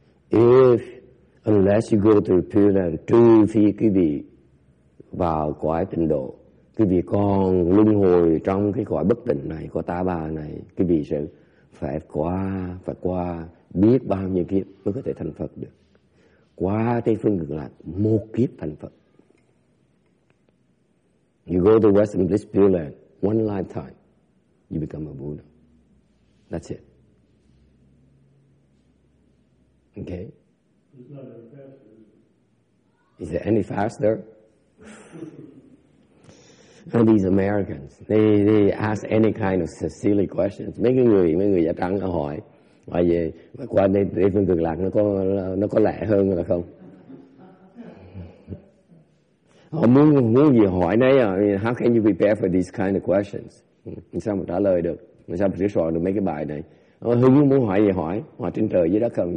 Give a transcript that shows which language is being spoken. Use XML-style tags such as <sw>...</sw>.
<en>Unless you go to the Pure Land,</en> <vi>trừ phi quý vị vào cõi tịnh độ, quý vị còn luân hồi trong cái cõi bất tịnh này, cõi ta bà này, quý vị sẽ phải qua biết bao nhiêu kiếp mới có thể thành Phật được. Qua Tây Phương Cực Lạc, một kiếp thành Phật.</vi> <en>You go to Western Bliss Pure Land, one lifetime, you become a Buddha. That's it. Okay? It's not any faster. Is it any faster? And these Americans, they ask any kind of silly questions.</en> <vi>Mấy người da trắng nó hỏi, hỏi về qua đây đi phương cực lạc nó có lẹ hơn là không? Họ muốn gì hỏi đấy à?</vi> <en>How can you prepare for these kind of questions?</en> <vi>Sao mà trả lời được? Sao mà sửa soạn được mấy cái bài này? Hưng muốn hỏi gì hỏi? Hỏi trên trời dưới đất không?</vi>